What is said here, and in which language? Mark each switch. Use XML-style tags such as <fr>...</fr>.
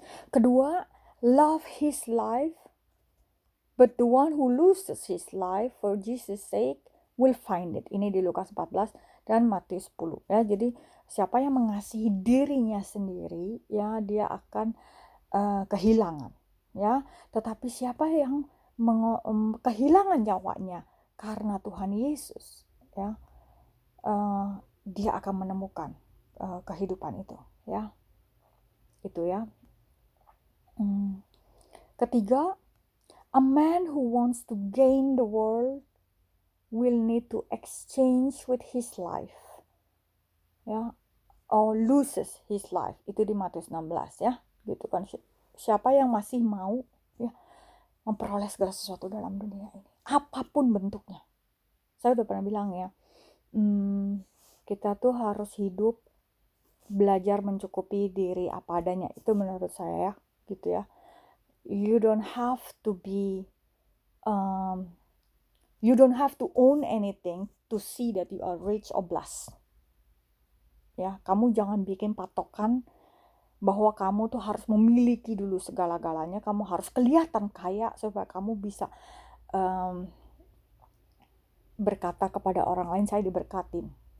<id>Kedua,</id> <en>love his life, but the one who loses his life for Jesus sake will find it.</en> <id>Ini di Lukas 14 dan Matius 10 ya. Jadi siapa yang mengasihi dirinya sendiri ya, dia akan kehilangan ya. Tetapi siapa yang kehilangan nyawanya karena Tuhan Yesus, ya, dia akan menemukan kehidupan itu, ya, itu ya. Ketiga,</id> <en>a man who wants to gain the world will need to exchange with his life, ya, or loses his life.</en> <id>Itu di Matius 16, ya, gitu kan. Siapa yang masih mau, ya, memperoleh segala sesuatu dalam dunia ini, apapun bentuknya. Saya udah pernah bilang ya, kita tuh harus hidup belajar mencukupi diri apa adanya. Itu menurut saya ya, gitu ya.</id> <en>You don't have to own anything to see that you are rich or blessed.</en> <id>Ya, kamu jangan bikin patokan bahwa kamu tuh harus memiliki dulu segala-galanya. Kamu harus kelihatan kaya supaya kamu bisa berkata kepada orang lain, saya diberkatin.</id>